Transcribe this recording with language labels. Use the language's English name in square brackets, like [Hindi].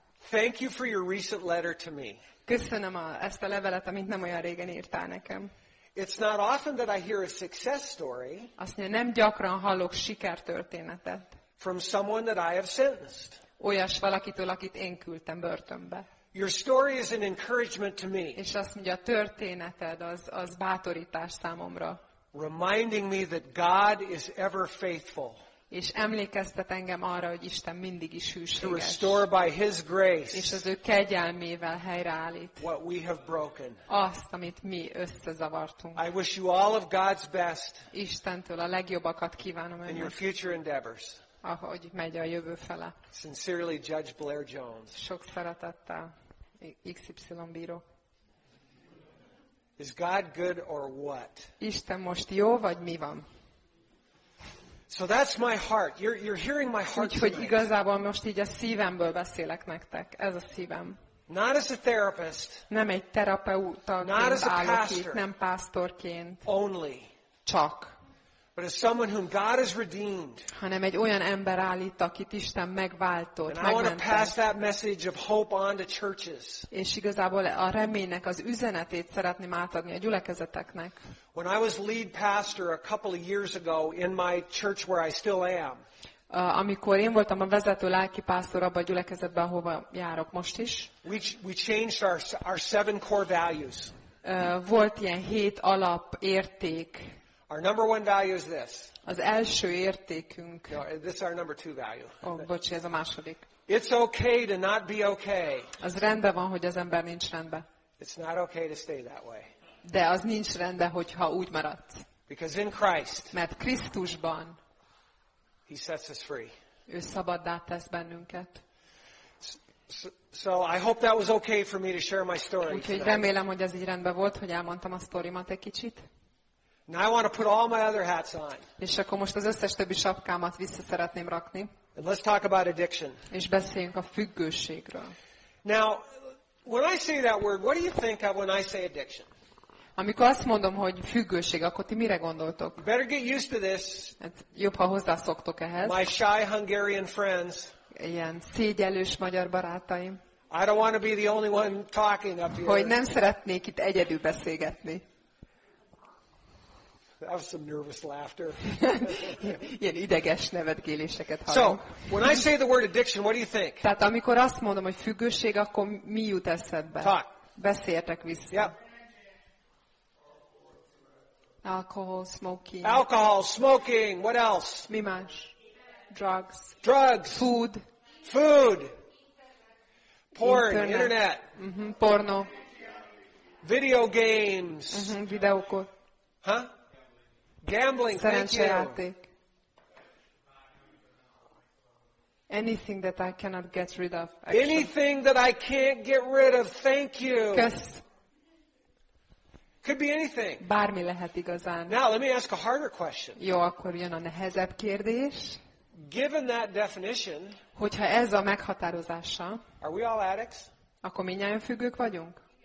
[English] Thank you for your recent letter to me. [Hungarian] Köszönöm ezt a levelet, amit nem olyan régen írtál nekem. [English] It's not often that I hear a success story. [Hungarian] Azt mondja, nem gyakran hallok sikertörténetet. [English] From someone that I have sentenced. [Hungarian] Olyas valakitől, akit én küldtem börtönbe. [English] Your story is an encouragement to me. [Hungarian] És azt mondja, a történeted az bátorítás számomra. [English] Reminding me that God is ever faithful. [Hungarian] És emlékeztet engem arra, hogy Isten mindig is hűséges. [English] To restore by His grace. [Hungarian] És az ő kegyelmével helyreállít. [English] What we have broken. [Hungarian] Azt, amit mi összezavartunk. [English] I wish you all of God's best. [Hungarian] Istentől a legjobbakat kívánom önnek. [English] In your future endeavors. [Hungarian] Ahogy megy a jövő fele. [English] Sincerely, Judge Blair Jones. [Hungarian] Sok szeretettel, XY bíró. [English] Is God good or what? [Hungarian] Isten most jó vagy mi van? [English] So that's my heart. You're hearing my heart. [Hungarian] Úgyhogy igazából most így a szívemből beszélek nektek. Ez a szívem. [English] Not as a therapist. [Hungarian] Nem egy terapeuta. [English] Not as a pastor. [Hungarian] Itt, nem pásztorként. [English] Only. [Hungarian] Csak. [English] But as someone whom God has redeemed. [Hungarian] Hanem egy olyan ember állít, akit Isten megváltott, megmentett. [English] And I want to pass that message of hope on to churches. [Hungarian] És igazából a reménynek az üzenetét szeretném átadni a gyülekezeteknek. [English] When I was lead pastor a couple of years ago in my church where I still am. [Hungarian] Amikor én voltam a vezető lelki pásztor abban a gyülekezetben, ahova járok most is. [English] We changed our seven core values. [Hungarian] Volt ilyen hét alap érték. [English] Our number one value is this. [Hungarian] Az első értékünk. [English] No, this is our number two value. [Hungarian] Bocsi, ez a második. [English] It's okay to not be okay. [Hungarian] Az rendben van, hogy az ember nincs rendben. [English] It's not okay to stay that way. [Hungarian] De az nincs rendben, hogyha úgy maradsz. [English] Because in Christ. [Hungarian] Mert Krisztusban. [English] He sets us free. [Hungarian] Ő szabaddá tesz bennünket. [English] So I hope that was okay for me to share my story. [Hungarian] Úgyhogy remélem, hogy ez így rendben volt, hogy elmondtam a sztorimat egy kicsit. [English] Now I want to put all my other hats on. [Hungarian] És akkor most az összes többi sapkámat vissza szeretném rakni. [English] And let's talk about addiction. [Hungarian] És beszéljünk a függőségről. [English] Now, when I say that word, what do you think of when I say addiction? [Hungarian] Amikor azt mondom, hogy függőség, akkor ti mire gondoltok? [English] You better get used to this. [Hungarian] Jobb, ha hozzászoktok ehhez. [English] My shy Hungarian friends. [Hungarian] Ilyen szégyellős magyar barátaim. [English] I don't want to be the only one talking up here. [Hungarian] Hogy nem szeretnék itt egyedül beszélgetni. [English] That was some nervous laughter. [Hungarian] Ilyen ideges nevetgéléseket hallom. [English] So, when I say the word addiction, what do you think? [Hungarian] Tehát amikor azt mondom, hogy függőség, akkor mi jut eszedbe? [English] Talk. [Hungarian] Beszéljetek vissza. [English] Yep. Alcohol, smoking. Alcohol, smoking. What else? [Hungarian] Mi más? [English] Drugs. Drugs. Food. Food. Porn. Internet. [Hungarian] Porno. [English] Video games. [Hungarian] Videókor. [English] Huh? Gambling, [Hungarian] szerencsejáték. [English] Anything that I cannot get rid of. Action. Anything that I can't get rid of. Thank you. Could be anything. [Hungarian] Bármi lehet igazán. [English] Now let me ask a harder question. [Hungarian] Jó, akkor jön a nehezebb kérdés. [English] Given that definition, [Hungarian] hogyha ez a meghatározása, [English] are we all addicts? [Hungarian] Akkor mindnyájan függők vagyunk?